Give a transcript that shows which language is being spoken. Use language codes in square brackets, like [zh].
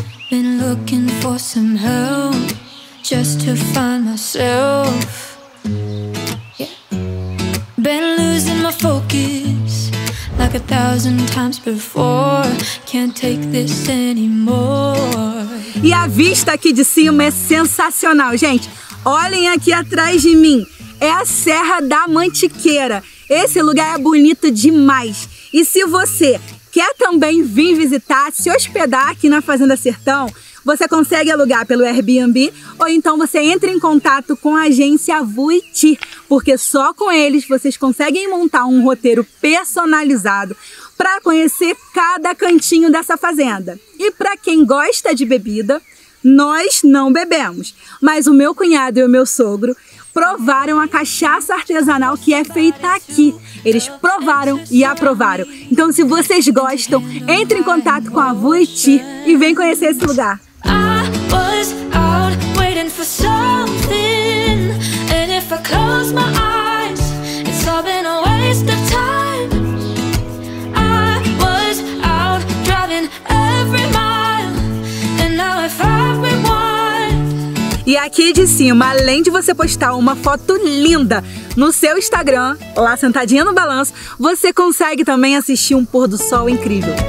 [en] Been looking for some help just to find myself. Been losing my focus like a thousand times before. Can't take this anymore. [pt] E a vista aqui de cima é sensacional, gente. Olhem aqui atrás de mim. É a Serra da Mantiqueira. Esse lugar é bonito demais. E se você quer também vir visitar, se hospedar aqui na Fazenda Sertão, você consegue alugar pelo Airbnb ou então você entra em contato com a agência Vuiti, porque só com eles vocês conseguem montar um roteiro personalizado para conhecer cada cantinho dessa fazenda. E para quem gosta de bebida, nós não bebemos, mas o meu cunhado e o meu sogro provaram a cachaça artesanal que é feita aqui. Eles provaram e aprovaram. Então, se vocês gostam, entre em contato com a Vuiti e vem conhecer esse lugar. [en] I was out waiting for something. And if I close my eyes, it's all been a waste of time. I was out driving every mile. And now I find me one. [pt] E aqui de cima, além de você postar uma foto linda no seu Instagram, lá sentadinha no balanço, você consegue também assistir um pôr do sol incrível.